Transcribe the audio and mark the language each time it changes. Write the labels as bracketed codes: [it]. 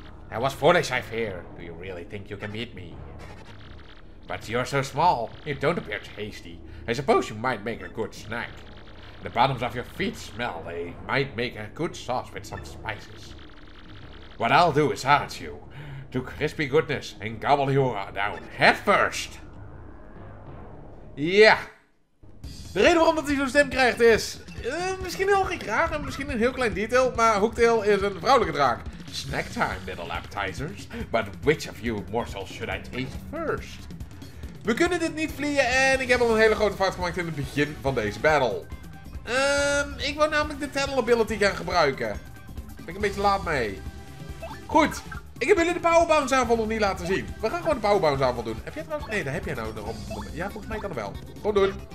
[en] I was foolish, I fear. Do you really think you can beat me? But you're so small, you don't appear tasty. I suppose you might make a good snack. The bottoms of your feet smell, they might make a good sauce with some spices. What I'll do is hurt you to crispy goodness and gobble you down head first. Ja. Yeah. [nl] De reden waarom dat hij zo'n stem krijgt is... misschien heel geen kraag en misschien een heel klein detail, maar Hooktail is een vrouwelijke draak. [en] Snack time, little appetizers. But which of you morsels should I taste first? [nl] We kunnen dit niet vliegen en ik heb al een hele grote fout gemaakt in het begin van deze battle. Ik wou namelijk de Tattle Ability gaan gebruiken. Ben ik een beetje laat mee. Goed, ik heb jullie de Power Bounce aanval nog niet laten zien. We gaan gewoon de Power Bounce aanval doen. Heb jij trouwens... Nee, daar heb jij nou nog op. Ja, volgens mij kan het wel. Gewoon doen.